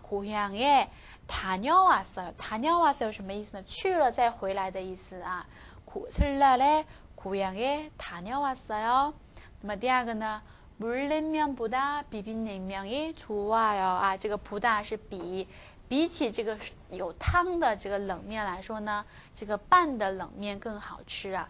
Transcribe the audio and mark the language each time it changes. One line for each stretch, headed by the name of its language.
Korean: 고향에 다녀왔어요. 다녀왔어요
Chinese: 什么意思呢？去了再回来的意思啊。
Korean: 설날에 고향에 다녀왔어요.
Chinese: 那么第二个呢？
Korean: 물냉면보다 비빔냉면이 좋아요.
Chinese: 아, 这个 보다 是比起这个有汤的这个冷面来说呢，这个拌的冷面更好吃啊。